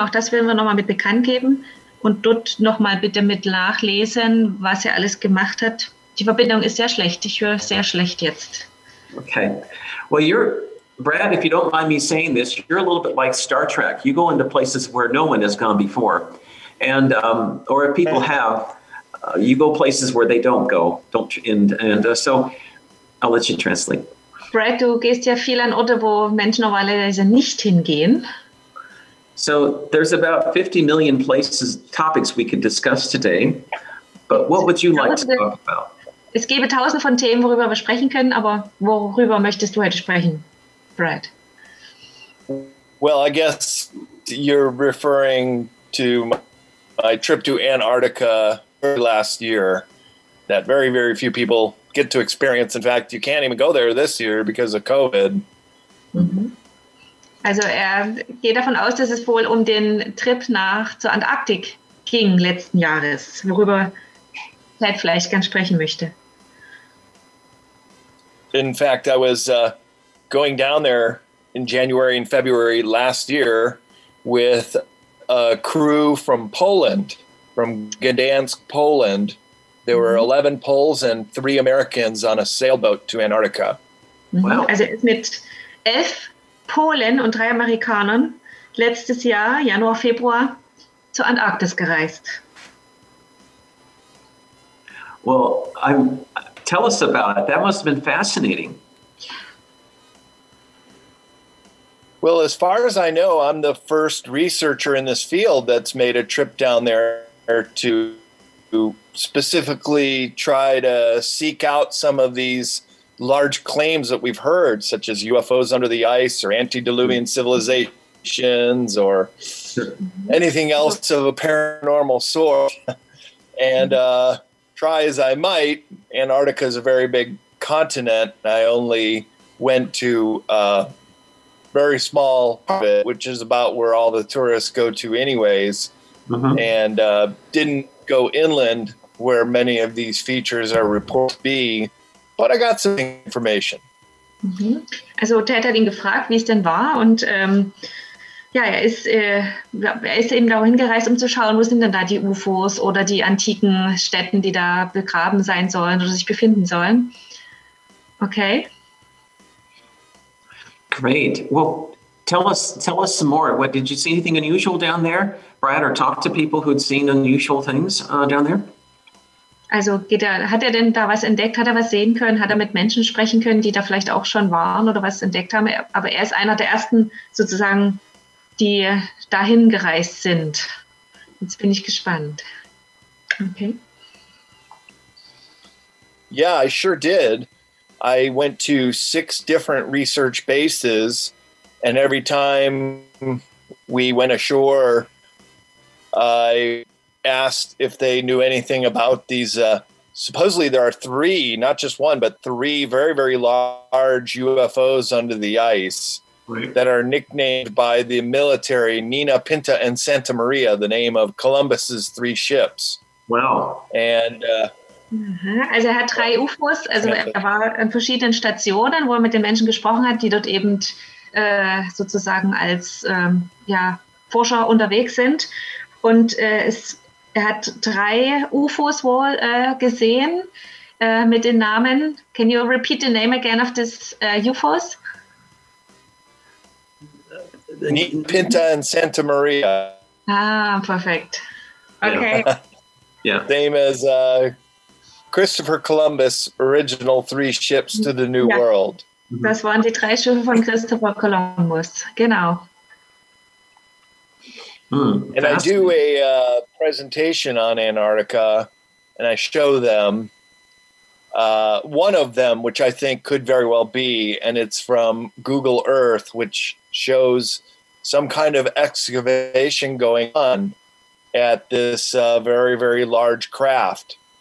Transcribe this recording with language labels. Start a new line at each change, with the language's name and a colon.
German: Auch das werden wir nochmal mit bekannt geben. Und dort nochmal bitte mit nachlesen, was er alles gemacht hat. Die Verbindung ist sehr schlecht. Ich höre sehr schlecht jetzt. Okay.
English: Well, Brad, if you don't mind me saying this, you're a little bit like Star Trek. You go into places where no one has gone before. And or if people have, you go places where they don't go. So I'll let you translate.
German: Brad, du gehst ja viel an Orte, wo Menschen normalerweise nicht hingehen.
English: So there's about 50 million topics we could discuss today, but what would you like to talk about?
German: Es gäbe tausend von Themen, worüber wir sprechen können, aber worüber möchtest du heute sprechen, Brad?
English: Well, I guess you're referring to my trip to Antarctica last year that very, very few people get to experience. In fact, you can't even go there this year because of COVID.
German: Also geht davon aus, dass es wohl um den Trip nach zur Antarktik ging letzten Jahres, worüber Ted vielleicht gern sprechen möchte.
English: In fact, I was going down there in January and February last year with a crew from Poland, from Gdansk, Poland. There were 11 Poles and 3 Americans on a sailboat to Antarctica. Wow.
German: Also mit 11 Polen und 3 Amerikanern letztes Jahr, Januar, Februar, zur Antarktis gereist.
English: Well, tell us about it. That must have been fascinating. Well, as far as I know, I'm the first researcher in this field that's made a trip down there to specifically try to seek out some of these large claims that we've heard, such as UFOs under the ice or antediluvian civilizations or anything else of a paranormal sort. And try as I might, Antarctica is a very big continent. I only went to a very small part of it, which is about where all the tourists go to anyways, and didn't go inland where many of these features are reported to be. But I got some information.
German: Also Ted hat ihn gefragt, wie es denn war und ja, er ist eben da hingereist, um zu schauen, wo sind denn da die UFOs oder die antiken Stätten, die da begraben sein sollen oder sich befinden sollen. Okay.
English: Great. Well, tell us some more. What did you see anything unusual down there, Brad, or talk to people who'd seen unusual things down there?
German: Also hat er denn da was entdeckt? Hat er was sehen können? Hat er mit Menschen sprechen können, die da vielleicht auch schon waren oder was entdeckt haben? Aber er ist einer der ersten sozusagen, die dahin gereist sind. Jetzt bin ich gespannt. Okay.
English: Yeah, I sure did. I went to 6 different research bases, and every time we went ashore, I asked if they knew anything about these. Supposedly there are 3, not just one, but 3 very, very large UFOs under the ice that are nicknamed by the military Nina, Pinta, and Santa Maria, the name of Columbus's 3 ships. Wow. And,
German: also er hat 3 UFOs, also er war an verschiedenen Stationen, wo er mit den Menschen gesprochen hat, die dort eben sozusagen als Forscher unterwegs sind. Und er hat 3 UFOs wohl gesehen mit den Namen.
English: Can you repeat the name again of this UFOs? Nina, Pinta and Santa Maria.
German: Ah, perfekt. Okay.
English: Yeah. Same as Christopher Columbus' original 3 ships to the New World.
German: Das waren die 3 Schiffe von Christopher Columbus, genau.
English: And I do a presentation on Antarctica, and I show them one of them, which I think could very well be, and it's from Google Earth, which shows some kind of excavation going on at this very, very large craft.